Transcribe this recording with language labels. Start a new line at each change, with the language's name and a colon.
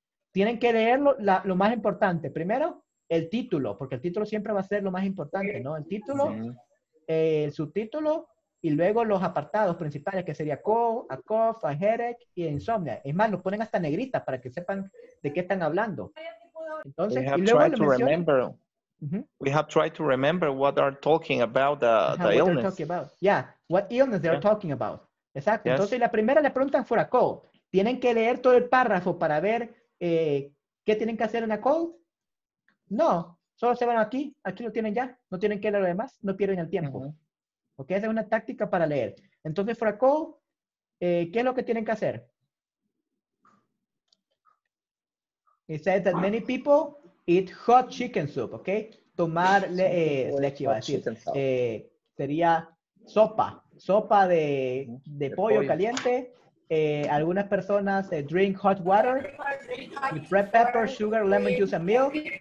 Spanish: Tienen que leerlo, lo más importante. Primero, el título, porque el título siempre va a ser lo más importante, ¿no? El título, el subtítulo, y luego los apartados principales, que sería
English: a cough, a headache
Spanish: y insomnia. Es más, lo ponen hasta negrita para que sepan de qué están hablando. Entonces, y luego lo mencionan.
English: Mm-hmm. We have tried to remember what are talking about the illness. What illness they are talking about. Exacto. Yes.
Spanish: Entonces, la primera le preguntan
English: for a cold.
Spanish: ¿Tienen que leer todo el párrafo para ver qué tienen que hacer en a cold? No. Solo se van aquí lo tienen ya. No tienen que leer lo demás. No pierden el tiempo. Mm-hmm. Ok, esa es una táctica para leer. Entonces, for a cold, ¿qué es lo que tienen que hacer?
English: It says that many people eat hot chicken soup, ¿ok?
Spanish: Tomar leche, iba a decir. Sería sopa de pollo caliente. Algunas personas
English: drink hot water with red pepper, sugar, lemon juice, and milk.